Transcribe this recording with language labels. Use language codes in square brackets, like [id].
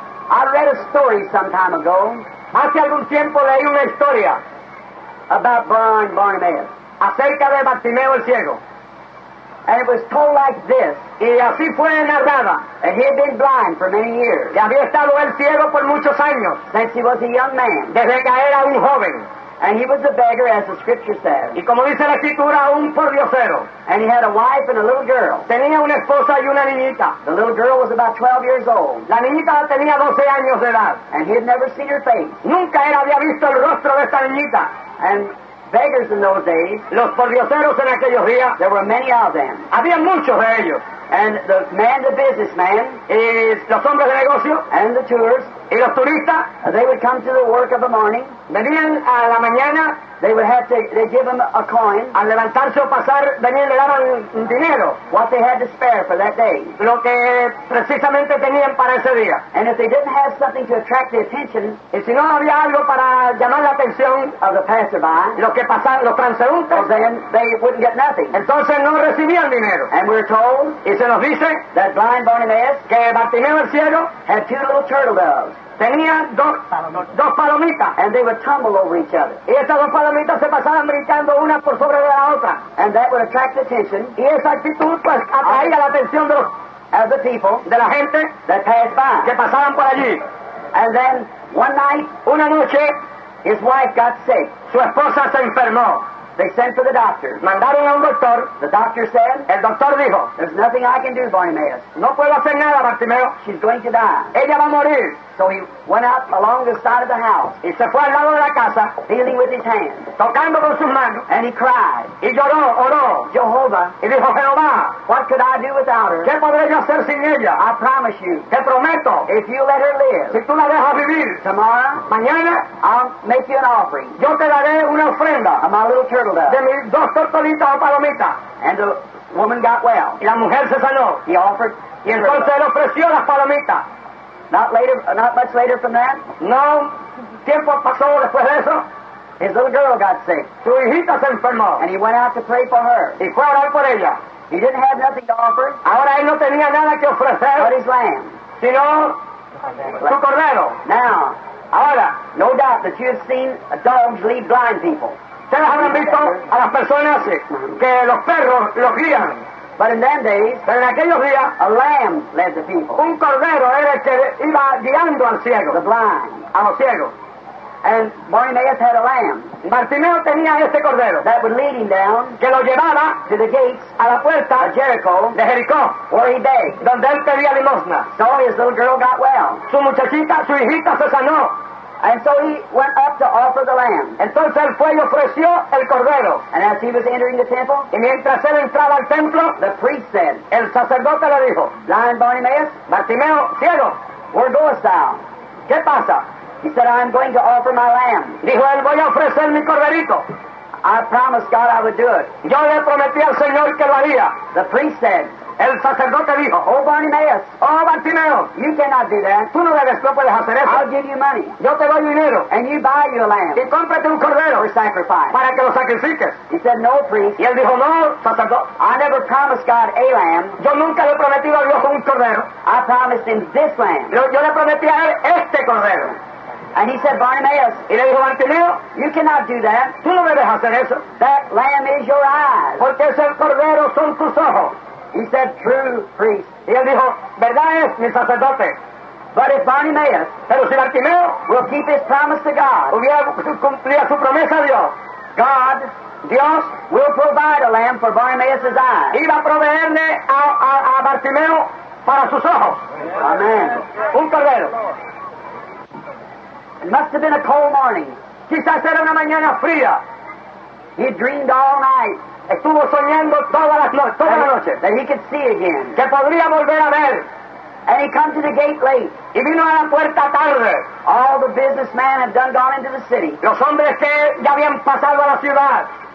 [en] I read a story some time ago. [es] Hace algún tiempo leí una historia [en] about blind Bartimaeus. [es] Acerca de Bartimeo el ciego. [en] And it was told like this. [es] Y así fue narrada. [en] And he had been blind for many years. [es] Y había estado el ciego por muchos años. [en] Since he was a young man. [es] Desde que era un joven. [en] And he was a beggar, as the scripture says. [es] Y como dice la escritura, un pordiosero. [en] And he had a wife and a little girl. [es] Tenía una esposa y una niñita. [en] The little girl was about 12 years old. [es] La niñita tenía 12 años de edad. [en] And he had never seen her face. [es] Nunca él había visto el rostro de esta niñita. [en] And beggars in those days. [es] Los pordioseros en aquellos días. [en] There were many of them. [es] Había muchos de ellos. [en] And the man, the businessman. [es] Es los hombres de negocio. [en] And the tourists. [es] Y los turistas. [en] They would come to the work of the morning. [es] Venían a la mañana. [en] They would have to, they give them a coin. [es] Al levantarse o pasar, venían le daban dinero. [en] What they had to spare for that day. [es] Lo que precisamente tenían para ese día. [en] And if they didn't have something to attract the attention. [es] Y si no había algo para llamar la atención. [en] Of the passerby. [es] Los que pasaban, los transeúntes. [en] Then they wouldn't get nothing. [es] Entonces no recibían dinero. [en] And we're told. [es] Y se nos dice. [en] That blind Bartimaeus. [es] Que Bartimeo el ciego. [en] Had two little turtle doves. [es] Tenía dos palomitas. [en] And they would tumble over each other. [es] Y estas dos palomitas se pasaban brincando una por sobre de la otra. [en] And that would attract attention. [es] Y esa actitud pues atraía la atención de los [en] of the people [es] de la gente [en] that passed by. [es] Que pasaban por allí. [en] And then one night, [es] una noche, [en] his wife got sick. [es] Su esposa se enfermó. [en] They sent to the doctor. [es] Mandaron a un doctor. [en] The doctor said, [es] el doctor dijo, [en] there's nothing I can do, Bartimaeus. [es] No puedo hacer nada, Bartimeo. [en] She's going to die. [es] Ella va a morir. [en] So he went out along the side of the house. [es] Y se fue al lado de la casa. [en] Feeling with his hands. [es] Tocando con sus manos. [en] And he cried. [es] Y lloró, oró. [en] Jehovah. [es] Y dijo, Jehová. [en] What could I do without her? [es] ¿Qué podré yo hacer sin ella? [en] I promise you. [es] Te prometo. [en] If you let her live. [es] Si tú la dejas vivir. [en] Tomorrow. [es] Mañana. [en] I'll make you an offering. [es] Yo te daré una ofrenda. [en] Of my little turtle dove. [es] De mis dos tortolitas o palomitas. [en] And the woman got well. [es] Y la mujer se sanó. [en] He offered. [es] Y entonces él ofreció las palomitas. [en] Not much later from that. [es] No, tiempo pasó después de eso. [en] His little girl got sick. [es] Su hijita se enfermó. [en] And he went out to pray for her. [es] Y fue a orar por ella. [en] He didn't have nothing to offer. [es] Ahora él no tenía nada que ofrecer. [en] But his lamb. [es] Sino su cordero. [en] Now, [es] ahora, [en] no doubt that you have seen dogs lead blind people. [es] Ustedes habrán visto a las personas que los perros los guían. [en] But in them days, [es] pero en aquellos días, [en] a lamb led the people. [es] Un cordero era el que iba guiando al ciego. [en] The blind. [es] A los ciegos. [en] And Bartimaeus had a lamb. [es] Bartimeo tenía este cordero. [en] That would lead him down. [es] Que lo llevaba [en] to the gates, [es] a la puerta [en] of Jericho, [es] de Jericó. [en] Where he begged. [es] Donde él pedía limosna. [en] So his little girl got well. [es] Su muchachita, su hijita se sanó. [en] And so he went up to offer the lamb. [es] Entonces él fue y ofreció el cordero. [en] And as he was entering the temple, [es] y mientras él entraba al templo, [en] the priest said, [es] el sacerdote le dijo, [en] blind Bartimaeus, [es] Bartimeo, ciego, [en] where goest thou? [es] ¿Qué pasa? [en] He said, I'm going to offer my lamb. [es] Dijo él, voy a ofrecer mi corderito. [en] I promised God I would do it. [es] Yo le prometí al Señor que lo haría. [en] The priest said, [es] el sacerdote dijo, [en] oh Bartimaeus, [es] oh Bartimeo, [en] you cannot do that. [es] Tú no debes, no puedes hacer eso. [en] I'll give you money. [es] Yo te doy dinero. [en] And you buy your lamb. [es] Y cómprate un cordero. [en] For sacrifice. [es] Para que lo sacrifiques. [en] He said, no priest. [es] Y él dijo, no sacerdote. [en] I never promised God a lamb. [es] Yo nunca le prometí a Dios un cordero. [en] I promised him this lamb. [es] Yo le prometí a él este cordero. [en] And he said, Bartimaeus, [es] y le dijo, Bartimeo, [en] you cannot do that. [es] Tú no debes hacer eso. [en] That lamb is your eyes. [es] Porque ese cordero son tus ojos. [en] He said, true priest. [es] Y él dijo, verdad es, mi sacerdote. [en] But if Bartimaeus, [es] pero si Bartimeo, [en] will keep his promise to God, [es] hubiera cumplido su promesa a Dios, [en] God, [es] Dios, [en] will provide a lamb for Bartimaeus' eyes. [es] Iba a proveerle a Bartimeo para sus ojos. [en] Amen. [es] Un cordero. [en] It must have been a cold morning. [es] Quizás era una mañana fría. [en] He dreamed all night. [es] Estuvo soñando toda la noche. [en] That he could see again. [es] Que podría volver a ver. [en] And he come to the gate late. [es] Y vino a la puerta tarde. [en] All the businessmen had done gone into the city. [es] Los hombres que ya habían pasado a la ciudad.